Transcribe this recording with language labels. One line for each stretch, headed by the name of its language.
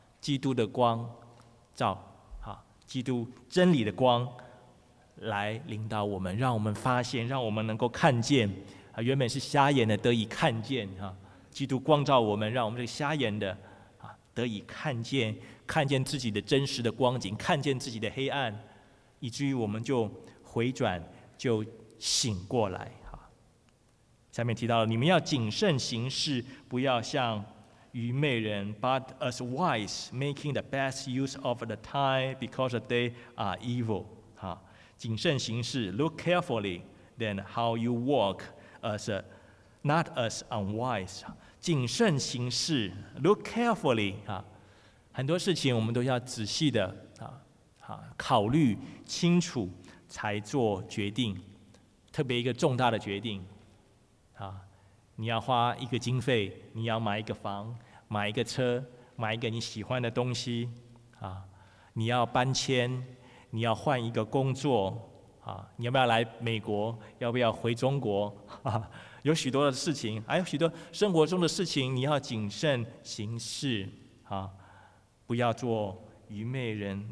Chinese: 基督的光照啊，基督真理的光来领导我们，让我们发现，让我们能够看见啊，原本是瞎眼的得以看见啊。基督光照我们，让我们这个瞎眼的得以看见，看见自己的真实的光景，看见自己的黑暗，以至于我们就回转，就醒过来。下面提到了，你们要谨慎行事，不要像愚昧人，
English: but as wise, making the best use of the time, because the day are evil.
Chinese: 谨慎行事，
English: look carefully then how you walk, as a, not as unwise.
Chinese: 谨慎行事，
English: look carefully
Chinese: 啊，很多事情我们都要仔细的考虑清楚才做决定，特别一个重大的决定啊，你要花一个经费，你要买一个房，买一个车，买一个你喜欢的东西啊，你要搬迁，你要换一个工作啊，你要不要来美国，要不要回中国啊，有许多的事情，还有许多生活中的事情，你要谨慎行事啊，不要做愚昧人。